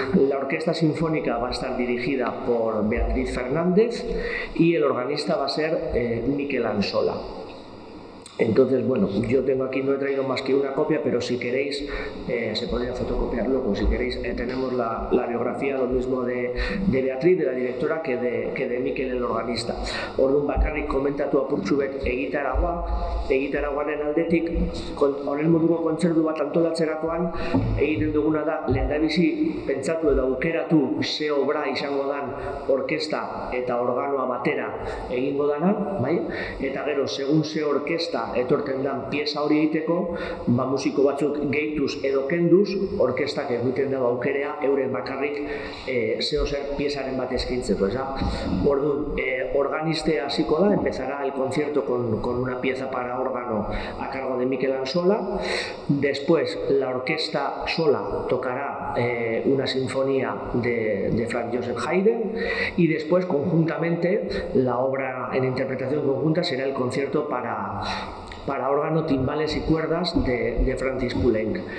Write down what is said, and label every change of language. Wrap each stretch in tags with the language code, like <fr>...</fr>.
<es>La orquesta sinfónica va a estar dirigida por Beatriz Fernández y el organista va a ser Mikel Ansola. Entonces, bueno, yo tengo aquí, no he traído más que una copia, pero si queréis, se podría fotocopiar luego, si queréis, tenemos la biografía, lo mismo de Beatriz, de la directora, que de Mikel, el organista.</es> <eu>Orduan bakarrik komentatu apurtxubet egitaraguaren aldetik, horren moduko kontzertu bat antolatzerakoan, egiten duguna da, lehendabizi pentsatu edo aukeratu ze obra izango dan orkesta eta organoa batera egingo dana, bai? Eta gero, segun ze orkesta etorten dan pieza hori egiteko, ba musiko batzuk gehituz edo kenduz, orkestak egiten dago aukerea euren bakarrik zeozer piezaren bat eskintzeko, ez da? Orduan, organiste hasiko da,</eu> <es>empezará el concierto con una pieza para órgano a cargo de Mikel Ansola, después la orquesta sola tocará una sinfonía de Franz Joseph Haydn y después conjuntamente la obra en interpretación conjunta será el concierto para órgano, timbales y cuerdas de Francis Poulenc.</es>